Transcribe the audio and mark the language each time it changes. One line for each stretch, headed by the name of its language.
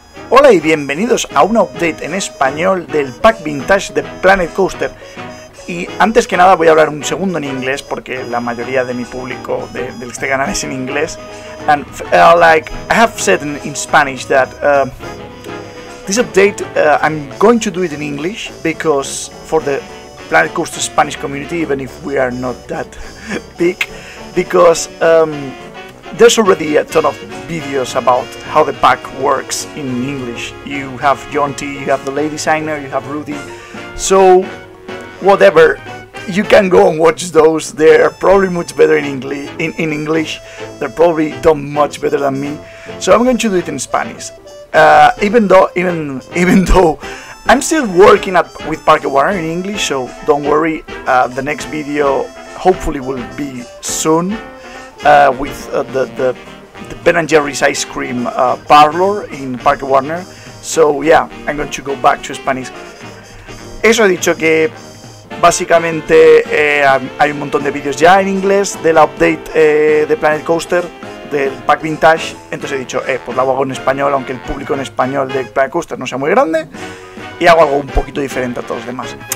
Spanish: Hola y bienvenidos a un update en español del pack vintage de Planet Coaster. Y antes que nada voy a hablar un segundo en inglés porque la mayoría de mi público de este canal es en inglés.
English: And like I have said in Spanish that this update I'm going to do it in English because for the Planet Coaster Spanish community, even if we are not that big, because there's already a ton of videos about how the pack works in English. You have Jonty, you have the lady designer, you have Rudy. So whatever, you can go and watch those. They're probably much better in English. In English, they're probably done much better than me. So I'm going to do it in Spanish. Even though I'm still working at with Parque Warner in English. So don't worry. The next video hopefully will be soon with the Ben and Jerry's ice cream parlor in Parque Warner. So yeah, I'm going to go back to Spanish.
Spanish: Eso he dicho que básicamente hay un montón de vídeos ya en inglés de la update de Planet Coaster, del pack vintage. Entonces he dicho, pues lo hago en español, aunque el público en español de Planet Coaster no sea muy grande, y hago algo un poquito diferente a todos los demás.